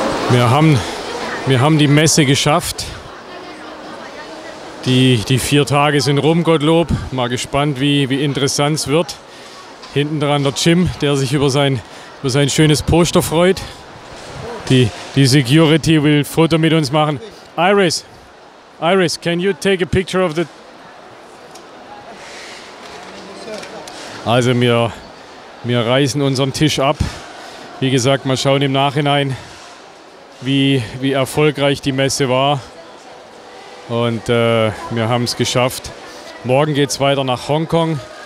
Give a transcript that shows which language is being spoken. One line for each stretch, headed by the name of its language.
German: Wir haben die Messe geschafft. Die 4 Tage sind rum, Gottlob. Mal gespannt, wie interessant es wird. Hinten dran der Jim, der sich über sein schönes Poster freut. Die Security will ein Foto mit uns machen.
English: Iris, can you take a picture of the...
German: Also wir reißen unseren Tisch ab. Wie gesagt, mal schauen im Nachhinein, wie erfolgreich die Messe war. Und wir haben es geschafft. Morgen geht es weiter nach Hongkong.